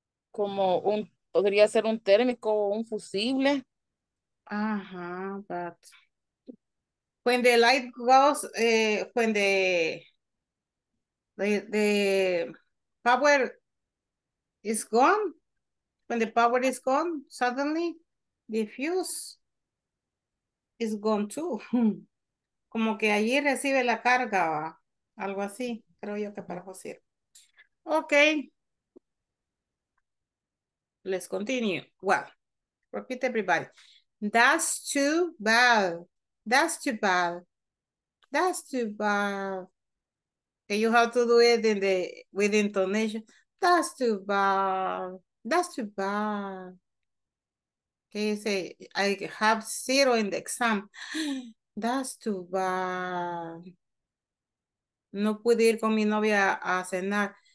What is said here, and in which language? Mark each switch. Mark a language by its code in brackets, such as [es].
[es] Como un, podría ser un térmico o un fusible. [en] But when the light goes, when the power is gone, when the power is gone, suddenly the fuse is gone too. [es] Como que allí recibe la carga, algo así, creo yo que para José. [en] Okay. Let's continue. Well, repeat everybody. That's too bad. That's too bad. That's too bad. Okay, you have to do it in the with intonation. That's too bad. That's too bad. Okay, say I have zero in the exam. That's too bad. [es] No pude ir con mi novia a cenar.